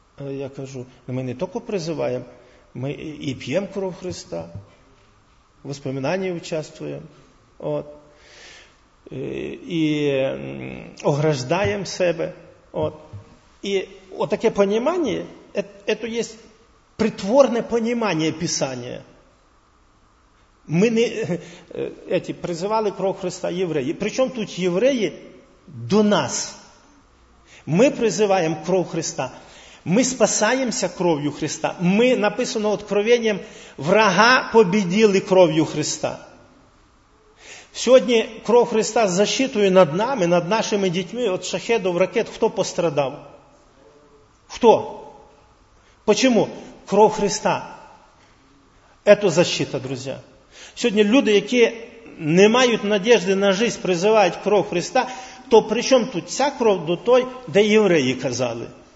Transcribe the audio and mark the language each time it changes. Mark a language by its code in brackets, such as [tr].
[uk] Я кажу, ми не тільки призиваємо, ми і п'ємо кров Христа, в воспоминаннях участвуємо. От. І ограждаємо себе. От. І отаке понімання, це є притворне понімання Писання. [ru] Мы не эти, призывали кровь Христа евреи. Причем тут евреи до нас. Мы призываем кровь Христа. Мы спасаемся кровью Христа. Мы, написано откровением, врага победили кровью Христа. [uk] Сьогодні кров Христа з защитою над нами, над нашими дітьми, від шахедів, ракет, хто пострадав? Хто? Чому? Кров Христа. Це защита, друзі. Сьогодні люди, які не мають надіжди на життя, призивають кров Христа, то при чому тут ця кров до той, де євреї казали?